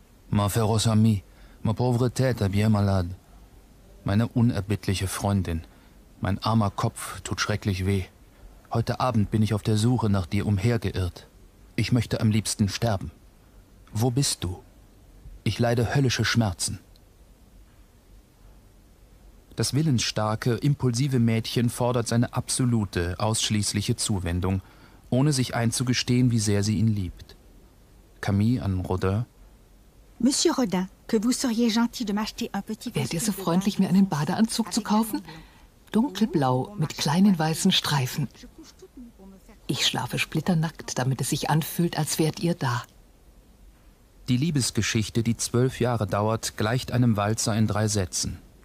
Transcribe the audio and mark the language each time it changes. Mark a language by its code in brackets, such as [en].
[fr] Ma féroce amie, ma pauvre tête bien malade. [de] Meine unerbittliche Freundin, mein armer Kopf tut schrecklich weh. Heute Abend bin ich auf der Suche nach dir umhergeirrt. Ich möchte am liebsten sterben. Wo bist du? Ich leide höllische Schmerzen. Das willensstarke, impulsive Mädchen fordert seine absolute, ausschließliche Zuwendung, ohne sich einzugestehen, wie sehr sie ihn liebt. Camille an Rodin. [fr] Monsieur Rodin, que vous seriez gentil de m'acheter un petit vêtement. [de] Wärt ihr so freundlich, mir einen Badeanzug zu kaufen? Dunkelblau mit kleinen weißen Streifen. Ich schlafe splitternackt, damit es sich anfühlt, als wärt ihr da. Die Liebesgeschichte, die 12 Jahre dauert, gleicht einem Walzer in 3 Sätzen.